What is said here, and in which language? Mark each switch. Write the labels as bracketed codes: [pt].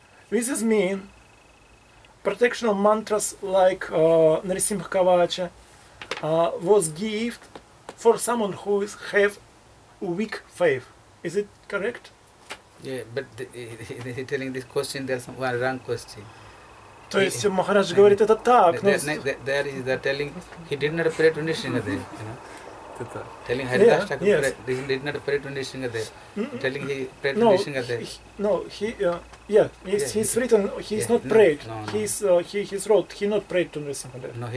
[en] This is mean protectional mantras like Narisimha Kavacha was gift for someone who is have weak faith. Is it correct? Yeah, but he telling this question, there's one wrong question. [ru] То есть Махарадж говорит это так, но... [en] There is the telling, he did not pray to Nrisimhadeva, you know? Telling Haridas Thakur, he did not pray to Nrisimhadeva. Telling he prayed to Nrisimhadeva. He's written, he's not prayed. He's wrote, he not prayed to Nrisimhadeva.